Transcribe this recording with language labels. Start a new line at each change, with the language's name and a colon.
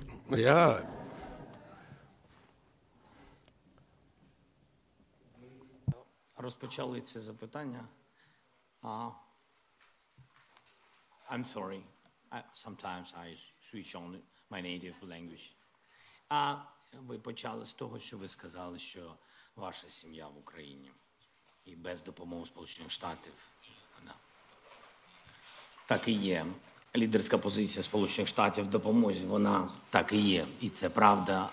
Ukrainian: Я... Розпочали це запитання.
English: I'm sorry. Sometimes I switch on my native language.
Ukrainian: Ви почали з того, що ви сказали, що ваша сім'я в Україні. І без допомоги Сполучених Штатів. Вона. Так і є. Лідерська позиція Сполучених Штатів в допомозі, вона так і є. І це правда.